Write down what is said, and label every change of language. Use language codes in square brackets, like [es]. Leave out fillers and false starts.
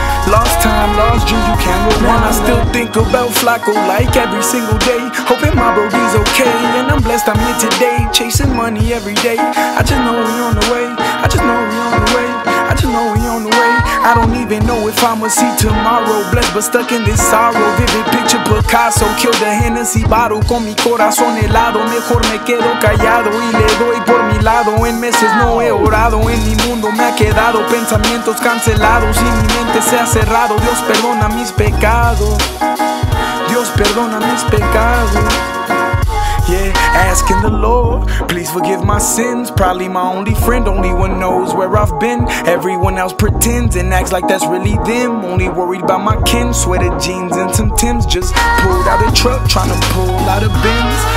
[en] Lost time, lost dreams, you can't rewind. And I still think about Flacco like every single day. Hoping my bro is okay. And I'm blessed I'm here today. Chasing money every day. I just know we on the way. I just know we on the way. I just know we on the way. I don't even know if I'ma see tomorrow. Blessed but stuck in this sorrow. Vivid picture Picasso. Killed a Hennessy bottle [es] con mi corazón helado. Mejor me quedo callado y le doy por mi lado. En meses no he orado. En mi mundo me ha quedado pensamientos cancelados. Y mi mente se ha cerrado. Dios perdona mis pecados. Dios perdona mis pecados. [en] Yeah, asking the Lord, please forgive my sins. Probably my only friend, only one knows where I've been. Everyone else pretends and acts like that's really them. Only worried about my kin, sweater jeans and some Tims. Just pulled out a truck, trying to pull out of bins.